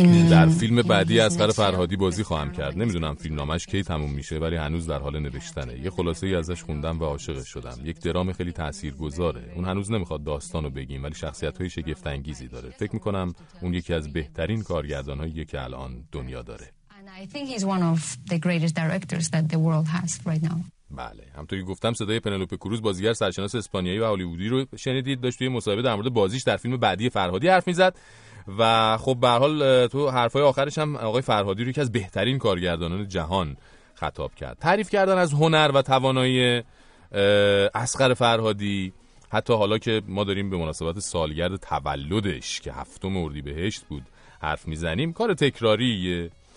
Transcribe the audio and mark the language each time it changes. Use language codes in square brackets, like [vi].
[fa] در فیلم بعدی اصغر فرهادی بازی خواهم کرد. نمیدونم فیلمنامه‌اش کی تموم میشه ولی هنوز در حال نوشتنه. یه خلاصه‌ای ازش خوندم و عاشق شدم. یک درام خیلی تاثیرگذاره. اون هنوز نمیخواد داستانو بگیم ولی شخصیت‌های شگفت‌انگیزی داره. فکر می‌کنم اون یکی از بهترین کارگردان‌هایی که الان دنیا داره. [en] I think he's one of the greatest directors that the world has right now. [fa] بله، همونطوری گفتم صدای پنلوپه کروز بازیگر سرشناس اسپانیایی و هالیوودی رو شنیدید، داشت توی مصاحبه در مورد بازیش در فیلم بعدی فرهادی حرف می‌زد و خب به هر حال تو حرفای آخرش هم آقای فرهادی رو یکی از بهترین کارگردانان جهان خطاب کرد. تعریف کردن از هنر و توانایی اصغر فرهادی، حتی حالا که ما داریم به مناسبت سالگرد تولدش که 7 اردیبهشت بود حرف می‌زنیم، کار تکراریه.